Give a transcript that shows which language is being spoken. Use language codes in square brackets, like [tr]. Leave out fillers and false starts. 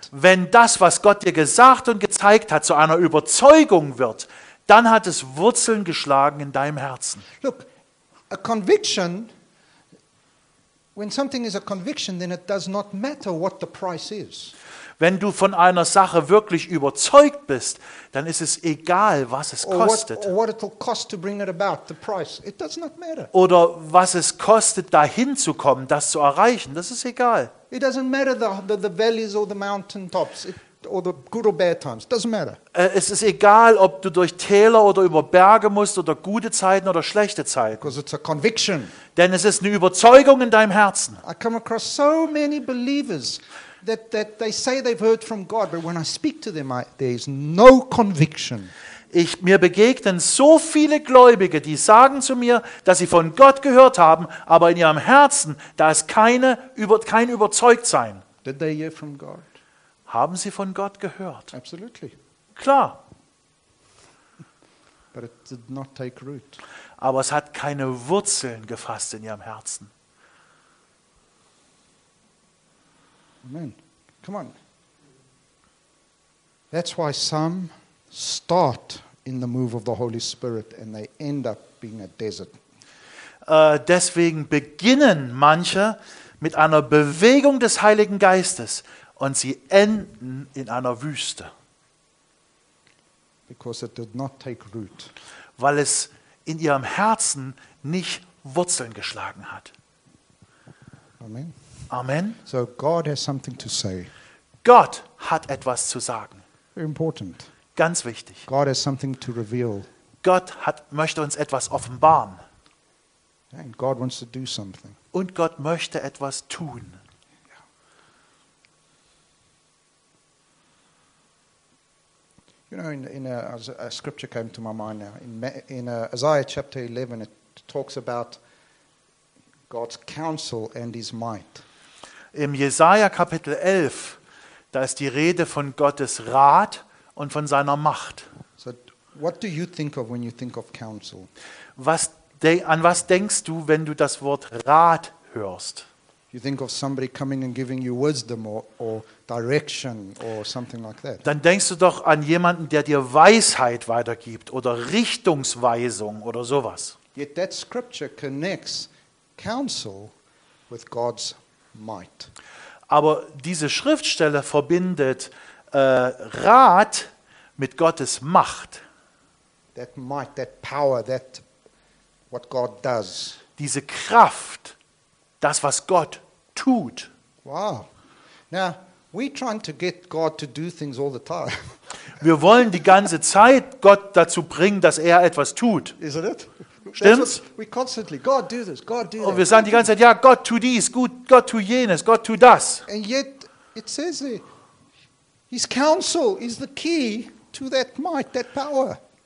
[de] Wenn das, was Gott dir gesagt und gezeigt hat, zu einer Überzeugung wird, dann hat es Wurzeln geschlagen in deinem Herzen. [en] Look, a conviction, when something is a conviction, then it does not matter what the price is. [de] Wenn du von einer Sache wirklich überzeugt bist, dann ist es egal, was es kostet. Oder was es kostet, dahin zu kommen, das zu erreichen, das ist egal. [en] It doesn't matter the valleys or the mountaintops. Or the good or bad times. Doesn't matter. [de] Es ist egal, ob du durch Täler oder über Berge musst oder gute Zeiten oder schlechte Zeiten. [en] Because it's a conviction. [de] Denn es ist eine Überzeugung in deinem Herzen. [en] I come across so many believers that they say they've heard from God, but when I speak to them, there is no conviction. [de] Mir begegnen so viele Gläubige, die sagen zu mir, dass sie von Gott gehört haben, aber in ihrem Herzen da ist kein Überzeugtsein. [en] Did they hear from God? [de] Haben Sie von Gott gehört? [en] Absolutely. [de] Klar. [en] But it did not take root. [de] Aber es hat keine Wurzeln gefasst in Ihrem Herzen. [en] Amen. Come on. That's why some start in the move of the Holy Spirit and they end up being a desert. [de] Deswegen beginnen manche mit einer Bewegung des Heiligen Geistes. Und sie enden in einer Wüste. [en] Because it did not take root. [de] Weil es in ihrem Herzen nicht Wurzeln geschlagen hat. Amen. Amen. [en] So God has something to say. [de] Gott hat etwas zu sagen. [en] Important. [de] Ganz wichtig. [en] God has something to reveal. [de] Gott möchte uns etwas offenbaren. [en] And God wants to do something. [de] Und Gott möchte etwas tun. [en] You know, in a scripture came to my mind now. In Isaiah chapter 11, it talks about God's counsel and His might. [de] Im Jesaja Kapitel 11, da ist die Rede von Gottes Rat und von seiner Macht. [en] So, what do you think of when you think of counsel? [de] An was denkst du, wenn du das Wort Rat hörst? [en] You think of somebody coming and giving you wisdom or direction or something like that. [de] Dann denkst du doch an jemanden, der dir Weisheit weitergibt oder Richtungsweisung oder sowas. [en] Yet that scripture connects counsel with God's might. [de] Aber diese Schriftstelle verbindet Rat mit Gottes Macht. [en] That might, that power, that what God does. [de] Diese Kraft. Das, was Gott tut. Wow. [en] Now, we're trying to get God to do things all the time. [de] Wir wollen die ganze Zeit Gott dazu bringen, dass er etwas tut. [en] Isn't it? [de] Stimmt's? [en] We constantly, God do this, God do that. [de] Und wir sagen die ganze Zeit, ja, Gott tu dies, gut, Gott tu jenes, Gott tu das. [en] And yet, it says there, His counsel is the key to that might, that power.